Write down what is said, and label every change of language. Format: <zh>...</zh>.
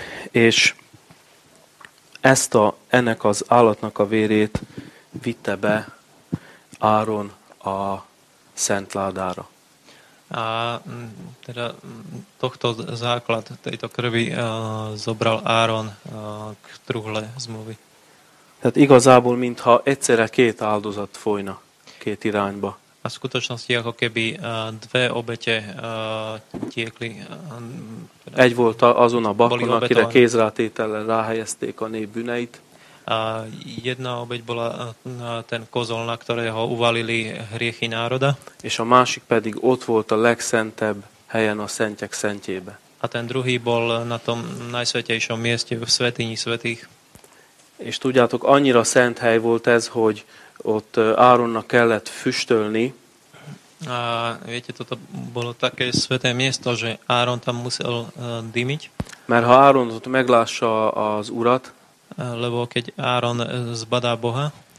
<hu>És ennek az állatnak a vérét vitte be Áron a szent ládára.</hu> <sk>A teda tohto základ tejto krvi zobral Áron k truhle zmluvy.</sk> <hu>Tehát igazából, mintha egyszerre két áldozat folyna két irányba.</hu> <sk>A v skutočnosti, ako keby dve obete tiekli.</sk> <hu>Egy volt azon a bakon, akire kézrátétellel ráhelyezték a nép bűneit.</hu> <sk>Jedna obeť bola ten kozol, na ktorého uvalili hriechy národa.</sk> <hu>És a másik pedig ott volt a legszentebb helyen, a szentek szentjébe.</hu> <sk>A ten druhý bol na tom najsvetejšom mieste, v svätyni svätých.</sk> <hu>És tudjátok, annyira szent hely volt ez, hogy ott Áronnak kellett füstölni.</hu> <sk>A viete, toto bolo také sveté miesto, že Áron tam musel dymiť.</sk> <hu>Mert ha Áron ott meglássa az urat,</hu> <sk>lebo keď Áron zbadá Boha,</sk>